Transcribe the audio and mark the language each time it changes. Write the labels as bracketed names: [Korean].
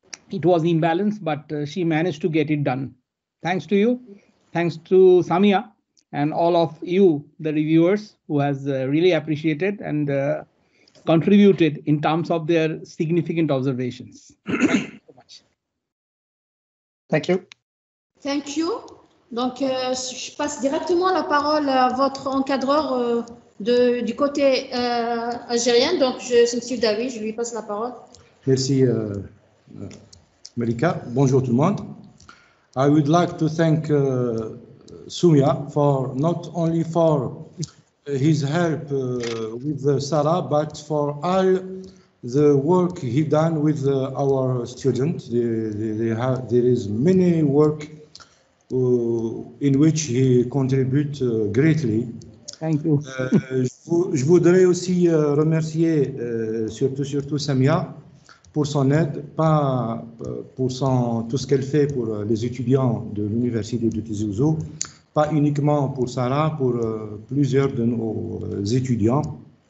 [English] It was imbalanced, but she managed to get it done. Thanks to you. Thanks to Soumya and all of you, the reviewers, who has really appreciated and contributed in terms of their significant observations. Thank you so much. Thank you. Thank you. [French] Donc, je passe directement la parole à votre encadreur du côté algérien. Donc, c'est Monsieur David, je lui passe la parole. Merci. Malika, bonjour tout le monde. [English] I would like to thank Soumya for not only for his help with Sarah, but for all the work he done with our student. There is many work in which he contribute greatly. Thank you. [French] je voudrais aussi remercier surtout Soumya pour son aide, pas pour tout ce qu'elle fait pour les étudiants de l'Université de Tizi Ouzou, pas uniquement pour Sarah, pour plusieurs de nos étudiants.